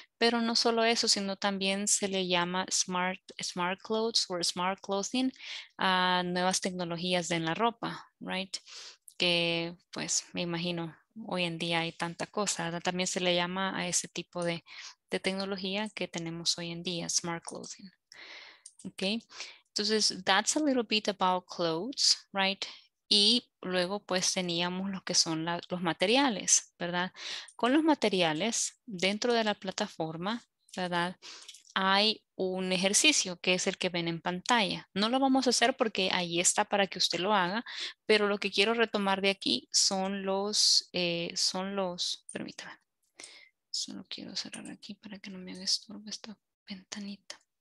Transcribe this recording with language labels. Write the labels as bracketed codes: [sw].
[es] Pero no solo eso, sino también se le llama smart clothes or smart clothing a nuevas tecnologías en la ropa, right? Que pues me imagino hoy en día hay tanta cosa, también se le llama a ese tipo de tecnología que tenemos hoy en día, smart clothing. [en] Okay, entonces that's a little bit about clothes, right? [es] Y luego pues teníamos lo que son los materiales, ¿verdad? Con los materiales dentro de la plataforma, ¿verdad? Hay un ejercicio que es el que ven en pantalla. No lo vamos a hacer porque ahí está para que usted lo haga, pero lo que quiero retomar de aquí son los, permítame, solo quiero cerrar aquí para que no me estorbe esta ventanita.